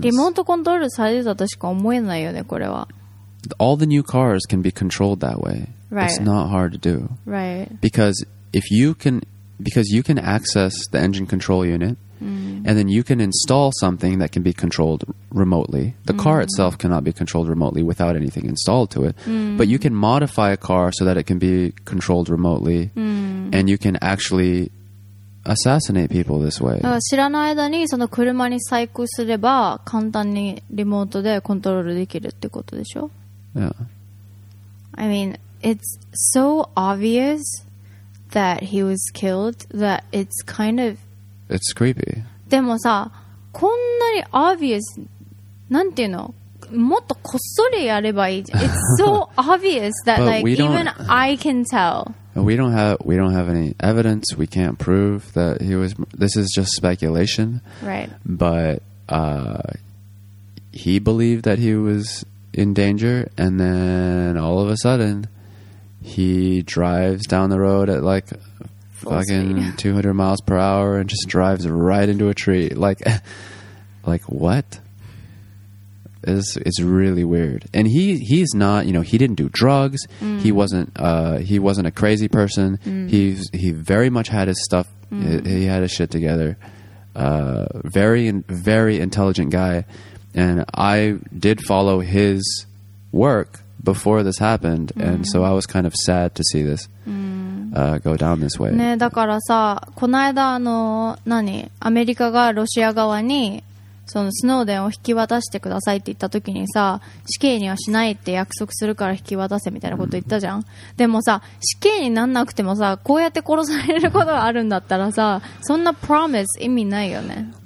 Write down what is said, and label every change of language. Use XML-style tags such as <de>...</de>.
<ja>リモートコントロールされたとしか思えないよね、これは。</ja> <en>All the new cars can be controlled that way. Right. It's not hard to do. Right. Because if you can, because you can access the engine control unit, and then you can install something that can be controlled remotely. The car itself cannot be controlled remotely without anything installed to it. But you can modify a car so that it can be controlled remotely, and you can actually assassinate people this way.</en> <ja>知らない間にその車に細工すれば簡単にリモートでコントロールできるってことでしょ?</ja> <en>Yeah. I mean, it's so obvious that he was killed that it's kind of... It's creepy.</en> <ja>でもさ、こんなに obvious... なんていうの? もっとこっそりやればいいじゃん。</ja> <en>It's so obvious that like even I can tell. We don't have any evidence. We can't prove that he was... This is just speculation. Right. But he believed that he was in danger. And then all of a sudden, he drives down the road at like fucking 200 miles per hour and just drives right into a tree. Like, like what? It's really weird. And he's not, you know, he didn't do drugs. He wasn't a crazy person. He very much had his stuff. He had his shit together. Very, very intelligent guy. And I did follow his work before this happened. And so I was kind of sad to see this go down this way.</en> <ja>ね、だからさ、この間アメリカがロシア側にそのスノーデンを引き渡してくださいって言った時にさ、死刑にはしないって約束するから引き渡せみたいなこと言ったじゃん。でもさ、死刑になんなくてもさ、こうやって殺されることがあるんだったらさ、そんな promise 意味ないよね。</ja>